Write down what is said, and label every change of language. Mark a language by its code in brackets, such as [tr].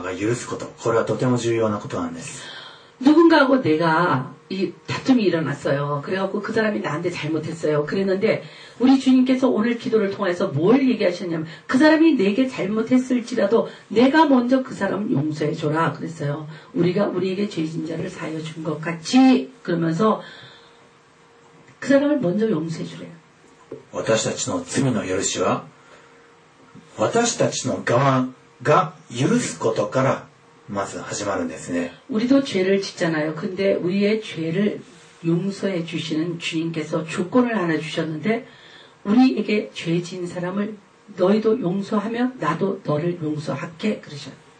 [ja] 主の祈りの中で真っ先に私たちの側が許しますという告白がまず先んじているからには私たちの側が許すことこれはとても重要なことなんです。 [ko] 누군가하고 내가 이 다툼이 일어났어요. 그래갖고 그 사람이 나한테 잘못했어요. 그랬는데 우리 주님께서 오늘 기도를 통해서 뭘 얘기하셨냐면 그 사람이 내게 잘못했을지라도 내가 먼저 그 사람 용서해줘라 그랬어요. 우리가 우리에게 죄진자를 사여준 것 같이 그러면서 그 사람을 먼저 용서해주래요. [ja] 私たちの罪の許しは私たちの側が許すことから 始まるんですね. [ko] 우리도 죄를 짓잖아요. 근데 우리의 죄를 용서해 주시는 주님께서 조건을 하나 주셨는데 우리에게 죄 지은 사람을 너희도 용서하면 나도 너를 용서할게 그러셔요.